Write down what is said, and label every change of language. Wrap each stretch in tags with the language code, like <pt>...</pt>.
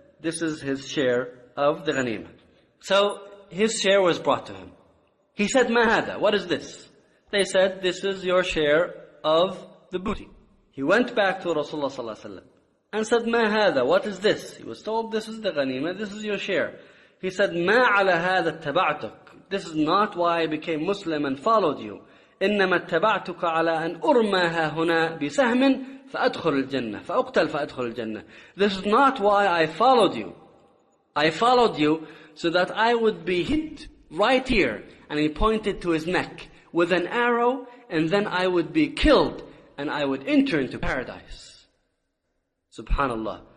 <en>This is his share of the ghanima. So his share was brought to him. He said,</en> <ar>ما هذا?</ar> <en>What is this? They said, this is your share of the booty. He went back to Rasulullah sallallahu alaihi wasallam and said,</en> <ar>ما هذا?</ar> <en>What is this? He was told, this is the ghanima, this is your share. He said,</en> <ar>ما على هذا اتبعتك?</ar> <en>This is not why I became Muslim and followed you.</en> <ar>إنما اتبعتك على أن أرمى هنا بسهم فأدخل الجنة فأقتل فأدخل الجنة.</ar> <en>This is not why I followed you. I followed you so that I would be hit right here. And he pointed to his neck with an arrow, and then I would be killed, and I would enter into paradise. Subhanallah.</en>